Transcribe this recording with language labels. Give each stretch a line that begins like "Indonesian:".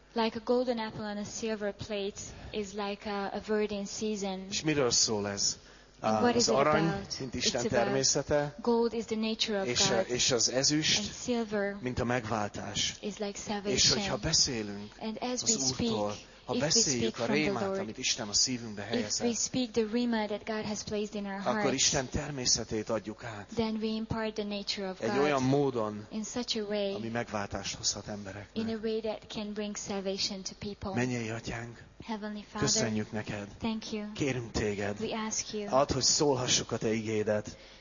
English: Like a golden apple on a silver plate is like a word in season.
Hungarian: És miről szól ez? Az arany, mint Isten természete,
English: gold is the nature of God,
Hungarian: és az ezüst,
English: and silver,
Hungarian: mint a megváltás.
English: Is like salvation.
Hungarian: És hogyha beszélünk
English: and as
Hungarian: az Úrtól, ha beszéljük a rémát, amit Isten a szívünkbe helyezett,
English: if we speak the rima that God has placed in our hearts,
Hungarian: akkor Isten természetét adjuk át,
English: then we impart the nature of God,
Hungarian: egy olyan módon,
English: in such a way,
Hungarian: ami megváltást hozhat embereknek,
English: in a way that can bring salvation to people.
Hungarian: Mennyei Atyánk,
English: Heavenly Father,
Hungarian: köszönjük neked,
English: thank you,
Hungarian: kérünk téged,
English: we ask you,
Hungarian: add, hogy szólhassuk a te igédet,